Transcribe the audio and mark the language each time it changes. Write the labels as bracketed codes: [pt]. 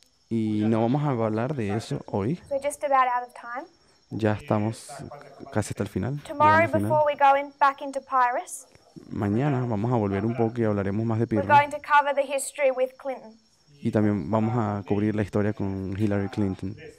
[es] Y no vamos a hablar de eso hoy. [en] We're just about out of time. [es] Ya estamos casi hasta el final. [en] Tomorrow, before we go in, back into Pyrrhus. [es] Mañana vamos a volver un poco y hablaremos más de Pirro. [en] We're going to cover the history with Clinton. [es] Y también vamos a cubrir la historia con Hillary Clinton.